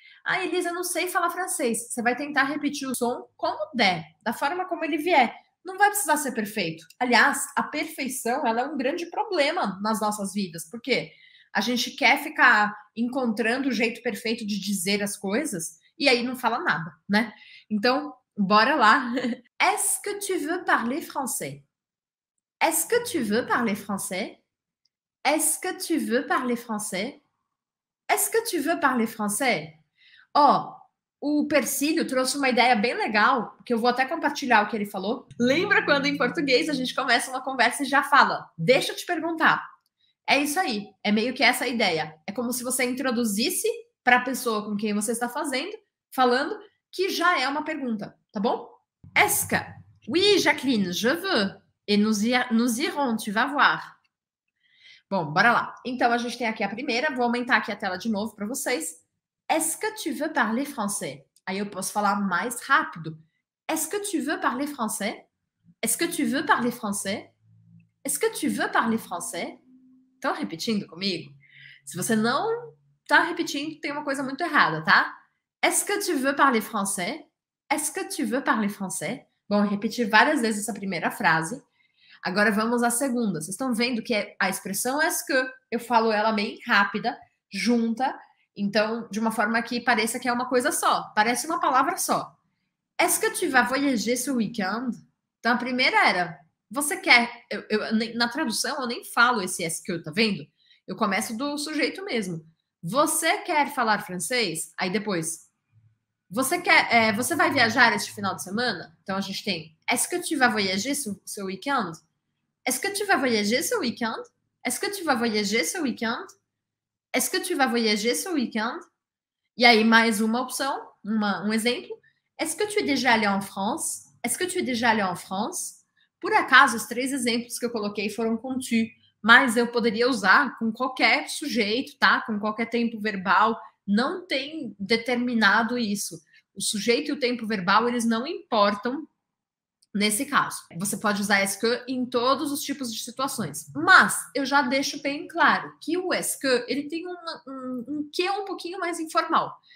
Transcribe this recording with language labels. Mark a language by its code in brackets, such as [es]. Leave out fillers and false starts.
[pt] Ah, Elisa, eu não sei falar francês. Você vai tentar repetir o som como der, da forma como ele vier. Não vai precisar ser perfeito. Aliás, a perfeição ela é um grande problema nas nossas vidas. Por quê? A gente quer ficar encontrando o jeito perfeito de dizer as coisas e aí não fala nada, né? Então, bora lá. [fr] Est-ce que tu veux parler français? Est-ce que tu veux parler français? Est-ce que tu veux parler français? Est-ce que tu veux parler français? [pt] Ó, o Persílio trouxe uma ideia bem legal, que eu vou até compartilhar o que ele falou. Lembra quando em português a gente começa uma conversa e já fala, deixa eu te perguntar. É isso aí, é meio que essa ideia. É como se você introduzisse para a pessoa com quem você está falando, que já é uma pergunta, tá bom? Esca, [fr] Oui, Jacqueline, je veux. Et nous irons, tu vas voir. [pt] Bom, bora lá. Então, a gente tem aqui a primeira. Vou aumentar aqui a tela de novo para vocês. [fr] Est-ce que tu veux parler français? [pt] Aí eu posso falar mais rápido. [fr] Est-ce que tu veux parler français? Est-ce que tu veux parler français? Est-ce que tu veux parler français? [pt] Estão repetindo comigo? Se você não está repetindo, tem uma coisa muito errada, tá? [fr] Est-ce que tu veux parler français? Est-ce que tu veux parler français? [pt] Bom, repetir várias vezes essa primeira frase. Agora vamos à segunda. Vocês estão vendo que a expressão est-ce que, eu falo ela bem rápida, junta. Então, de uma forma que pareça que é uma coisa só. Parece uma palavra só. [fr] Est-ce que tu vas voyager ce weekend? [pt] Então, a primeira era, você quer... na tradução, eu nem falo esse est-ce que, tá vendo? Eu começo do sujeito mesmo. Você quer falar francês? Aí depois, você quer, você vai viajar este final de semana? Então, a gente tem, [fr] est-ce que tu vas voyager ce weekend? Est-ce que tu vas voyager ce weekend? Est-ce que tu vas voyager ce weekend? Est-ce que tu vas voyager ce weekend? [pt] E aí, mais uma opção, um exemplo. [fr] Est-ce que tu es déjà allé en France? Est-ce que tu es déjà allé en France? [pt] Por acaso, os três exemplos que eu coloquei foram com tu, mas eu poderia usar com qualquer sujeito, tá? Com qualquer tempo verbal. Não tem determinado isso. O sujeito e o tempo verbal, eles não importam nesse caso. Você pode usar est-ce que em todos os tipos de situações. Mas eu já deixo bem claro que o est-ce que, ele tem um que é um pouquinho mais informal.